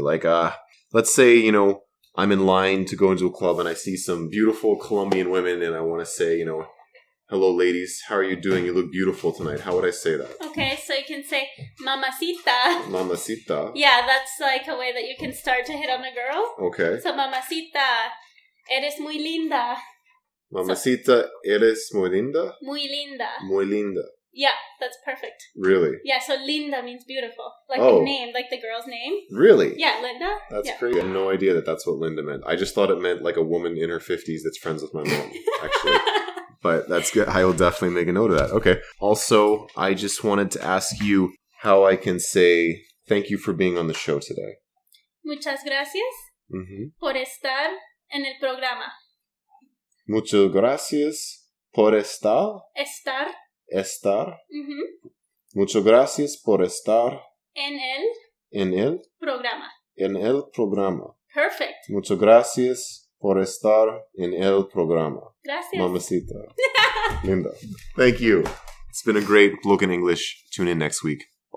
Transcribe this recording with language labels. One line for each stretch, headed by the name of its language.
English: Like, let's say, you know, I'm in line to go into a club and I see some beautiful Colombian women and I want to say, you know, hello, ladies. How are you doing? You look beautiful tonight. How would I say that? Okay, so you can say mamacita. Mamacita. Yeah, that's like a way that you can start to hit on a girl. Okay.
Spanish: So mamacita, eres muy linda. Mamacita, eres muy linda? Muy linda. Muy linda.
English: Yeah, that's perfect. Really? Yeah, so linda means beautiful. Like the name, like the girl's name. Really? Yeah, Linda. That's crazy. I had no idea that's what Linda meant. I just thought it meant like a woman in her 50s that's friends with my mom, actually. But that's good. I will definitely make a note of that. Okay. Also, I just wanted to ask you how I can say thank you for being on the show today.
Spanish: Muchas gracias por estar en el programa. Muchas gracias por estar. Estar. Estar. Muchas gracias por estar. En el. Programa. En el programa.
English: Perfect.
Spanish: Muchas gracias por estar en el programa. Gracias.
English: Mamacita. Linda. Thank you. It's been a great Bloken English. Tune in next week.